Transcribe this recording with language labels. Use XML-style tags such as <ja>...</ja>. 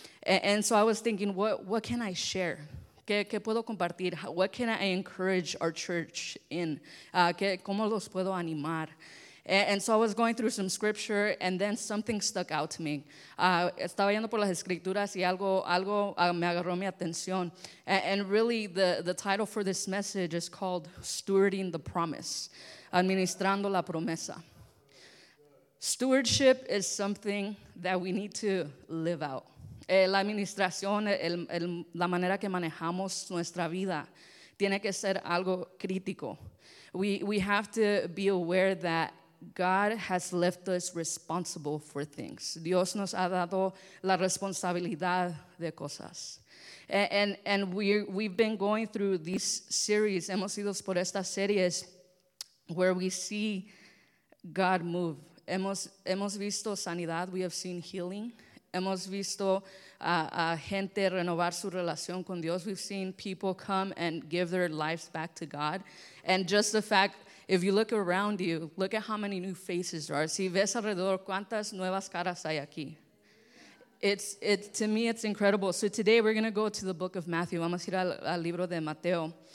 <en>And so I was thinking, what can I share?</en> <es>¿Qué puedo compartir?</es> <en>What can I encourage our church in?</en> <es>¿Cómo los puedo animar?</es> <en>And so I was going through some scripture, and then something stuck out to me.</en> <es>Estaba yendo por las escrituras y algo me agarró mi atención.</es> <en>And really, the title for this message is called Stewarding the Promise,</en> <es>Administrando la Promesa.</es> <en>Stewardship is something that we need to live out.</en> <es>La administración, la manera que manejamos nuestra vida, tiene que ser algo crítico.</es> <en>We have to be aware that God has left us responsible for things.</en> <es>Dios nos ha dado la responsabilidad de cosas.</es> <en>And we've been going through these series,</en> <es>hemos ido por estas series,</es> <en>where we see God move.</en> <es>Hemos visto sanidad,</es> <en>we have seen healing.</en> <es>Hemos visto a gente renovar su relación con Dios.</es> <en>We've seen people come and give their lives back to God. And just the fact, if you look around you, look at how many new faces there are.</en> <es>Si ves alrededor, ¿cuántas nuevas caras hay aquí?</es> <en>To me, it's incredible. So today, we're going to go to the book of Matthew.</en> <es>Vamos a ir al libro de Mateo.</es>